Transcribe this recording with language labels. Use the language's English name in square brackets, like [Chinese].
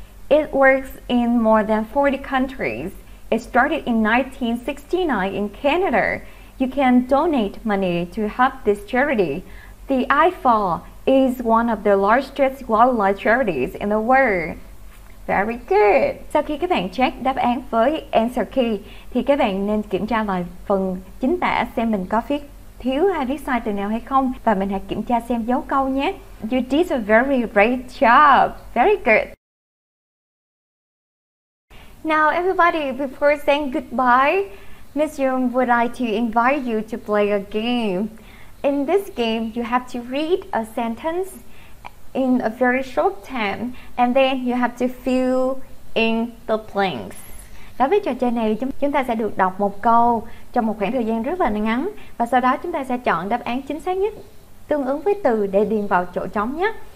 [English] It works in more than 40 countries. It started in 1969 in Canada. You can donate money to help this charity. The IFAW is one of the largest wildlife charities in the world. Very good. [Vietnamese] Sau khi các bạn check đáp án với answer key, thì các bạn nên kiểm tra lại phần chính tả xem mình có viết thiếu hay viết sai từ nào hay không. Và mình hãy kiểm tra xem dấu câu nhé. [English] You did a very great job. Very good. Now everybody, before saying goodbye, Miss Yung would like to invite you to play a game. In this game, you have to read a sentence in a very short time, and then you have to fill in the blanks. [Vietnamese] Đối với trò chơi này, chúng ta sẽ được đọc một câu trong một khoảng thời gian rất là ngắn, và sau đó chúng ta sẽ chọn đáp án chính xác nhất tương ứng với từ để điền vào chỗ trống nhé.